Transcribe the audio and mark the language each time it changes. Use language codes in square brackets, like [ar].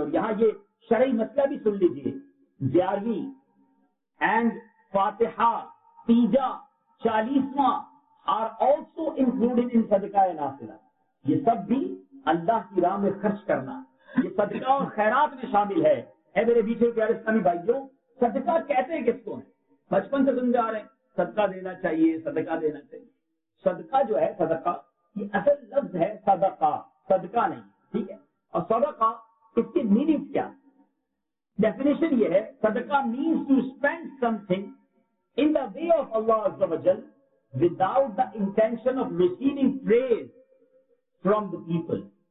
[ur] Aur yahan ye sharai masla bhi sun lijiye, [en] ziyari and Fatiha tija 40th are also included in صدقہ نافلہ. [ur] یہ سب بھی اللہ کی راہ میں خرچ کرنا, یہ صدقہ اور خیرات میں شامل ہے. اے میرے بیچے پیارے اسلامی بھائیوں, صدقہ کہتے ہیں کس کو ہیں؟ بچپن سے سن جا رہے ہیں صدقہ دینا چاہیے, صدقہ دینا چاہیے. صدقہ جو ہے, صدقہ یہ اصل لفظ ہے, صدقہ صدقہ نہیں, ٹھیک ہے. اور صدقہ اس کی میننگ کیا, ڈیفینیشن یہ ہے, [en] صدقہ means to spend something in the way of Allah Azza wa Jal without the intention of receiving praise from the people.